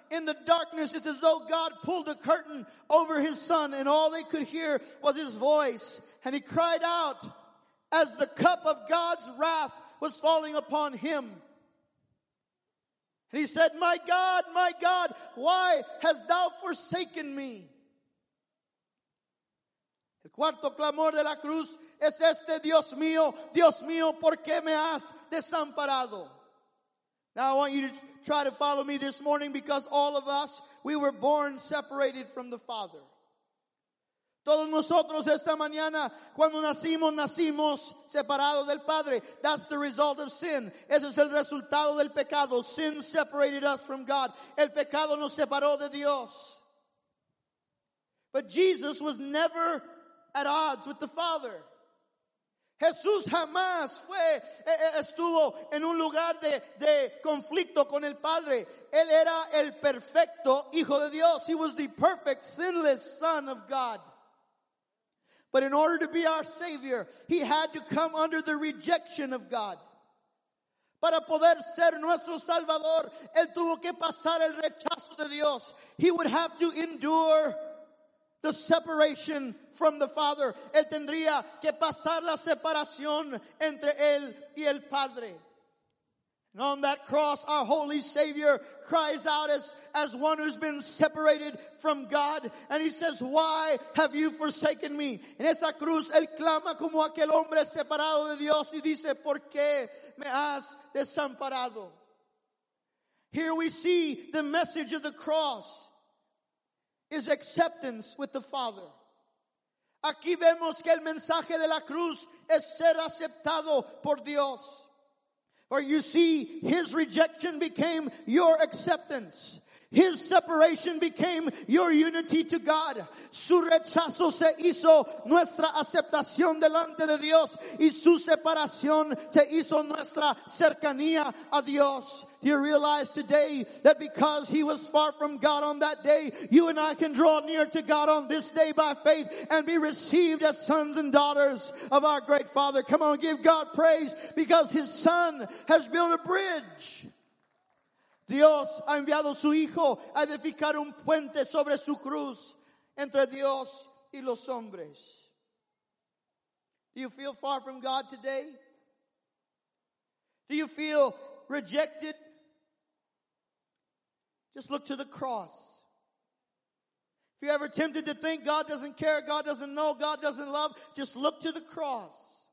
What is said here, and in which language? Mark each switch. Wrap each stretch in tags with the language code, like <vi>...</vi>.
<en>In the darkness, it's as though God pulled a curtain over His Son, and all they could hear was His voice. And He cried out as the cup of God's wrath was falling upon Him. And He said, my God, why hast thou forsaken me?</en> <es>El cuarto clamor de la cruz es este, Dios mío, ¿por qué me has desamparado?</es> <en>Now I want you to try to follow me this morning, because all of us, we were born separated from the Father.</en> <es>Todos nosotros esta mañana, cuando nacimos, nacimos separados del Padre.</es> <en>That's the result of sin.</en> <es>Ese es el resultado del pecado.</es> <en>Sin separated us from God.</en> <es>El pecado nos separó de Dios.</es> <en>But Jesus was never at odds with the Father.</en> <es>Jesús jamás fue, estuvo en un lugar de conflicto con el Padre. Él era el perfecto Hijo de Dios.</es> <en>He was the perfect, sinless Son of God. But in order to be our Savior, he had to come under the rejection of God.</en> <es>Para poder ser nuestro Salvador, él tuvo que pasar el rechazo de Dios.</es> <en>He would have to endure the separation from the Father.</en> <es>Él tendría que pasar la separación entre él y el Padre.</es> <en>And on that cross, our Holy Savior cries out as one who's been separated from God. And he says, why have you forsaken me?</en> <es>En esa cruz, él clama como aquel hombre separado de Dios y dice, ¿por qué me has desamparado?</es> <en>Here we see the message of the cross is acceptance with the Father.</en> <es>Aquí vemos que el mensaje de la cruz es ser aceptado por Dios.</es> <en>For you see, his rejection became your acceptance. His separation became your unity to God.</en> <es>Su rechazo se hizo nuestra aceptación delante de Dios. Y su separación se hizo nuestra cercanía a Dios.</es> <en>Do you realize today that because he was far from God on that day, you and I can draw near to God on this day by faith and be received as sons and daughters of our great Father. Come on, give God praise because his Son has built a bridge.</en> <es>Dios ha enviado su Hijo a edificar un puente sobre su cruz entre Dios y los hombres.</es> <en>Do you feel far from God today? Do you feel rejected? Just look to the cross. If you're ever tempted to think God doesn't care, God doesn't know, God doesn't love, just look to the cross.</en>